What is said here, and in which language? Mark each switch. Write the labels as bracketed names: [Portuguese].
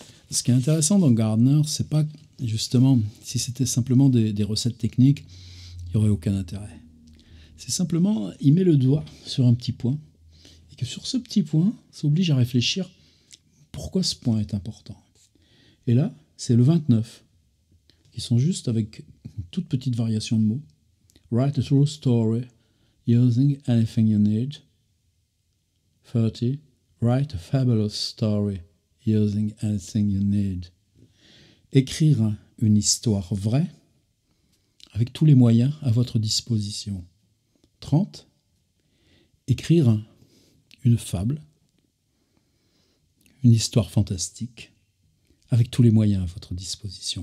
[French] Ce qui est intéressant dans Gardner, c'est pas justement si c'était simplement des recettes techniques, il n'y aurait aucun intérêt. C'est simplement, il met le doigt sur un petit point, et que sur ce petit point, ça oblige à réfléchir pourquoi ce point est important. Et là, c'est le 29. Ils sont juste avec une toute petite variation de mots. [English] Write a true story using anything you need. 30. Write a fabulous story using anything you need. [French] Écrire une histoire vraie avec tous les moyens à votre disposition. 30. Écrire une fable, une histoire fantastique avec tous les moyens à votre disposition.